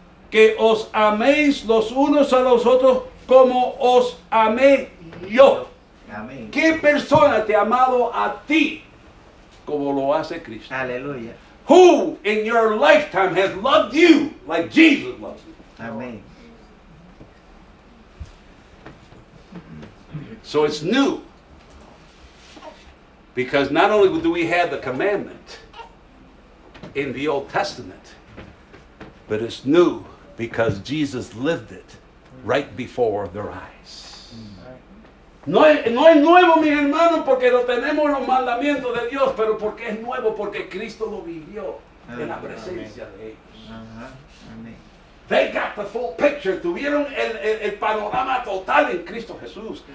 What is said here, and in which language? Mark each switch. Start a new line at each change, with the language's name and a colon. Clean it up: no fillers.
Spanish: Que os améis los unos a los otros como os amé yo. Amén. ¿Qué persona te ha amado a ti como lo hace Cristo? Aleluya.
English: Who in your lifetime has loved you like Jesus loves you?
Spanish: Amén.
English: So it's new. Because not only do we have the commandment in the Old Testament, but it's new because Jesus lived it right before their eyes.
Spanish: No es nuevo, mi hermano, porque lo tenemos los mandamientos de Dios, pero porque es nuevo, porque Cristo lo vivió en la presencia de ellos.
English: They got the full picture.
Spanish: Tuvieron el panorama total en Cristo Jesús.